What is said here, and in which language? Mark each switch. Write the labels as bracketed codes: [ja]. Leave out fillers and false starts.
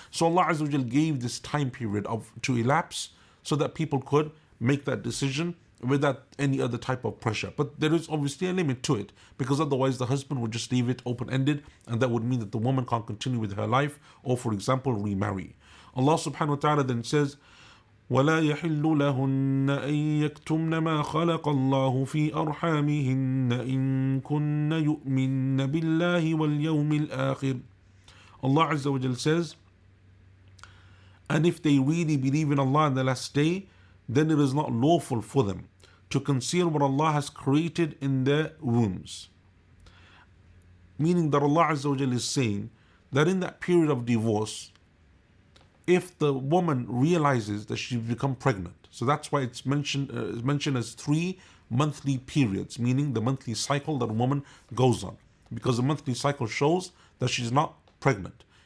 [en] So Allah Azza wa Jalla gave this time period to elapse so that people could make that decision without any other type of pressure. But there is obviously a limit to it, because otherwise the husband would just leave it open-ended, and that would mean that the woman can't continue with her life or, for example, remarry. [ar] Allah subhanahu wa ta'ala then says, وَلَا يَحِلُّ لَهُنَّ أَن يَكْتُمْنَ مَا خَلَقَ اللَّهُ فِي أَرْحَامِهِنَّ إِن كُنَّ يُؤْمِنَّ بِاللَّهِ وَالْيَوْمِ الْآخِرِ. [en] Allah Azza wa Jal says, and if they really believe in Allah on the last day, then it is not lawful for them to conceal what Allah has created in their wombs. Meaning that Allah Azza wa Jal is saying that in that period of divorce, if the woman realizes that she's become pregnant, so that's why it's mentioned as 3 monthly periods, meaning the monthly cycle that a woman goes on, because the monthly cycle shows that she's not pregnant.